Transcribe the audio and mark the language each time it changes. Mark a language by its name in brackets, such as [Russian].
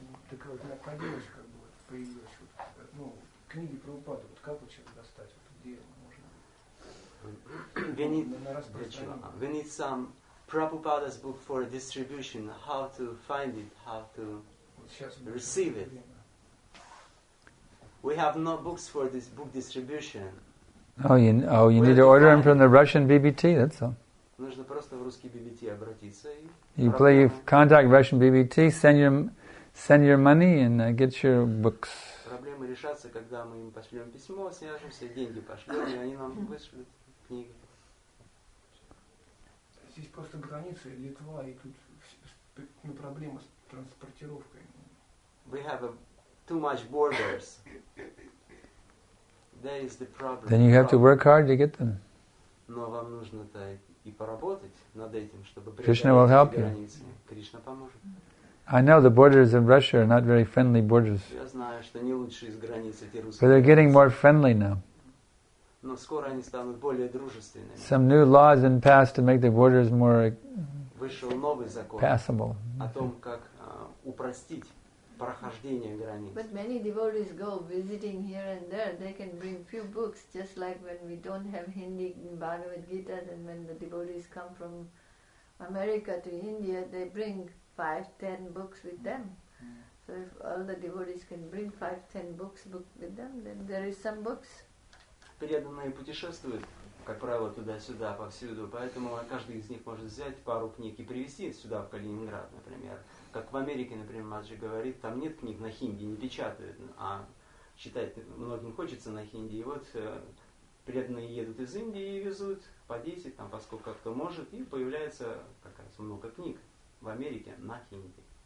[Russian] Так вот, необходимость, как бы, появилась, вот, ну, книги про упаду, вот как вот человек достать, вот, где можно? [English] We need some Prabhupada's book for distribution, how to find it, how to receive it. We have no books for this book distribution. You need to order them from the Russian BBT, that's all. [Russian] Нужно просто в русский BBT обратиться и... [English] You contact Russian BBT, send your money and get your books. [Russian] Проблемы решатся, когда мы им пошлем письмо, свяжемся, деньги пошлем, и они нам вышлют книги. Здесь просто граница Литва, и тут проблема с транспортировкой. [English] We have too much borders. There is the problem. Then you have to work hard to get them. [Russian] Но вам нужно и поработать над этим, чтобы [English] Krishna will help you. [Russian] Кришна поможет. [English] I know the borders in Russia are not very friendly borders. [Russian] Я знаю, что не лучшие из границ эти русские. [English] But they're getting more friendly now. [Russian] Но скоро они станут более дружественными. [English] Some new laws been passed to make the borders more [Russian] вышел новый закон [English] passable. [Russian] О том, как упростить прохождение границ. [English] But many devotees go visiting here and there. They can bring few books, just like when we don't have Hindi in Bhagavad Gita, and when the devotees come from America to India, they bring 5-10 books with them. So if all the devotees can bring 5-10 books with them, then there is some books. [Russian] Преданные путешествуют, как правило, туда-сюда, повсюду, поэтому каждый из них может взять пару книг и привезти сюда, в Калининград, например. Как в Америке, например, Маджи говорит, там нет книг на хинди, не печатают, а читать многим хочется на хинди. И вот преданные едут из Индии и везут по 10, там, поскольку кто может, и появляется как раз много книг в Америке на хинди.